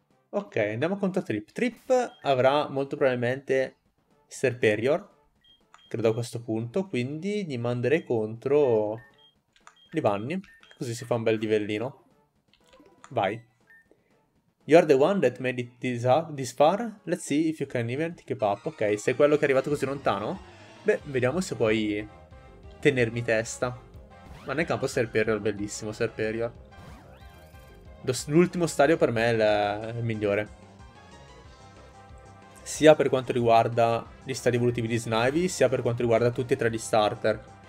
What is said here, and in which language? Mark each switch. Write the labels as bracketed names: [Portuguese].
[Italian] Ok, andiamo contro Trip. Trip avrà molto probabilmente Serperior, credo a questo punto, quindi gli manderei contro Livanni, così si fa un bel livellino. Vai. [English] You're the one that made it this far. Let's see if you can even keep up. [Italian] Ok, sei quello che è arrivato così lontano? Beh, vediamo se puoi tenermi testa. Ma nel campo Serperior, bellissimo Serperior. L'ultimo stadio per me è il migliore. Sia per quanto riguarda gli stadi evolutivi di Snivy, sia per quanto riguarda tutti e tre gli starter.